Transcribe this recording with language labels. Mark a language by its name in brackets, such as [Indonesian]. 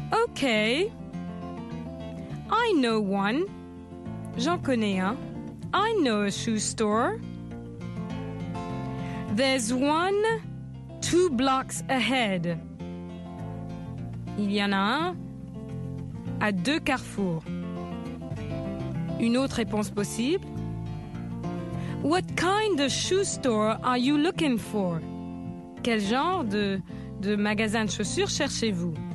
[English] Okay, I know one. [French] J'en connais un. [English] I know a shoe store. There's one two blocks ahead. [French] Il y en a un à deux carrefours. Une autre réponse possible. [English] What kind of shoe store are you looking for? [French] Quel genre de magasin de chaussures cherchez-vous?